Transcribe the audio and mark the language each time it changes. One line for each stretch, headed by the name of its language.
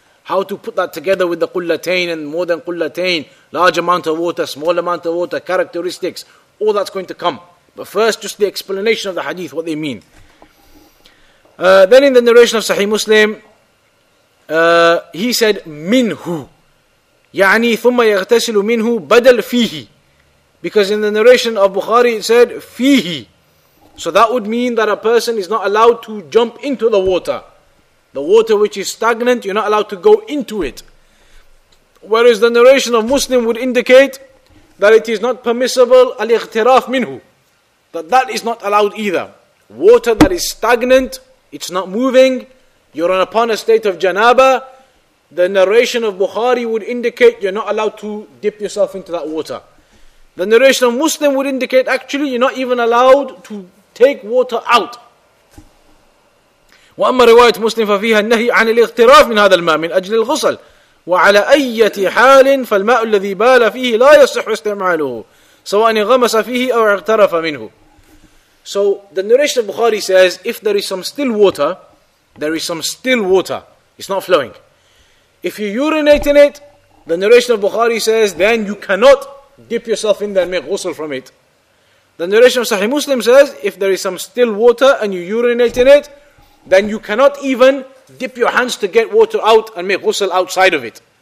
English: How to put that together with the qullatain and more than qullatain, large amount of water, small amount of water, characteristics, all that's going to come. But first, just the explanation of the hadith, what they mean. Then in the narration of Sahih Muslim, he said, minhu.
Arabic: يعني ثم يغتسل منه بدل فيه.
English: Because in the narration of Bukhari, it said, فيه. So that would mean that a person is not allowed to jump into the water. The water which is stagnant, you're not allowed to go into it. Whereas the narration of Muslim would indicate that it is not permissible, al-ightiraf minhu. That is not allowed either. Water that is stagnant, it's not moving, you're upon a state of janaba. The narration of Bukhari would indicate you're not allowed to dip yourself into that water. The narration of Muslim would indicate actually you're not even allowed to take water out.
Arabic: وأما رواية مسلم ففيها النهي عن الاغتراف من هذا الماء من أجل الغسل وعلى أي حال فالماء الذي بال فيه لا يصح استعماله سواء غمس فيه أو اغترف منه.
English: So the narration of Bukhari says if there is some still water, there is some still water, it's not flowing. If you urinate in it, the narration of Bukhari says then you cannot dip yourself in there and make ghusl from it. The narration of Sahih Muslim says if there is some still water and you urinate in it, then you cannot even dip your hands to get water out and make ghusl outside of it.